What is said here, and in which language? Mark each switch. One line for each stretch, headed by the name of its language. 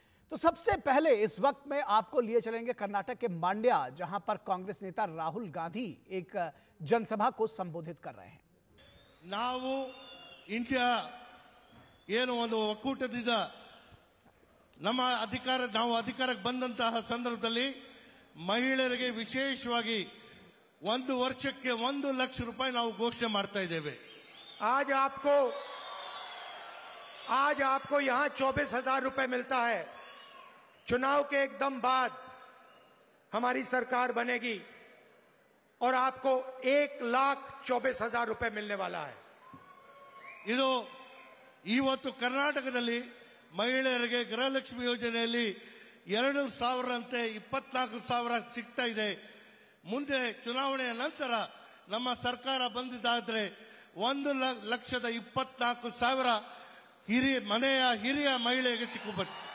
Hindi: तो सबसे पहले इस वक्त में आपको लिए चलेंगे कर्नाटक के मांड्या, जहां पर कांग्रेस नेता राहुल गांधी एक जनसभा को संबोधित कर रहे हैं।
Kannada: ನಾವು ಇಂಡಿಯಾ ಏನು ಒಂದು ಒಕ್ಕೂಟದಿಂದ ನಮ್ಮ ಅಧಿಕಾರ ನಾವು ಅಧಿಕಾರಕ್ಕೆ ಬಂದಂತ ಸಂದರ್ಭದಲ್ಲಿ ಮಹಿಳೆಯರಿಗೆ ವಿಶೇಷವಾಗಿ ಒಂದು ವರ್ಷಕ್ಕೆ 1,00,000 ರೂಪಾಯಿ ನಾವು ಘೋಷಣೆ ಮಾಡ್ತಾ ಇದ್ದೇವೆ।
Hindi: ಆಜ್ಕೋ ಯಾ 24,000 ರೂಪಾಯಿ ಮಿಲ್ತಾ ಹೇ चुनाव के एकदम बाद हमारी सरकार बनेगी और आपको 1,24,000 रुपए मिलने वाला है।
Kannada: ಇದು ಇವತ್ತು ಕರ್ನಾಟಕದಲ್ಲಿ ಮಹಿಳೆಯರಿಗೆ ಗೃಹಲಕ್ಷ್ಮಿ ಯೋಜನೆಯಲ್ಲಿ 2,000 ಅಂತೆ 24,000 ಸಿಗ್ತಾ ಇದೆ। ಮುಂದೆ ಚುನಾವಣೆಯ ನಂತರ ನಮ್ಮ ಸರ್ಕಾರ ಬಂದಿದ್ದಾದ್ರೆ 1,24,000 ಹಿರಿಯ ಮನೆಯ ಹಿರಿಯ ಮಹಿಳೆಗೆ ಸಿಕ್ಕುತ್ತೆ।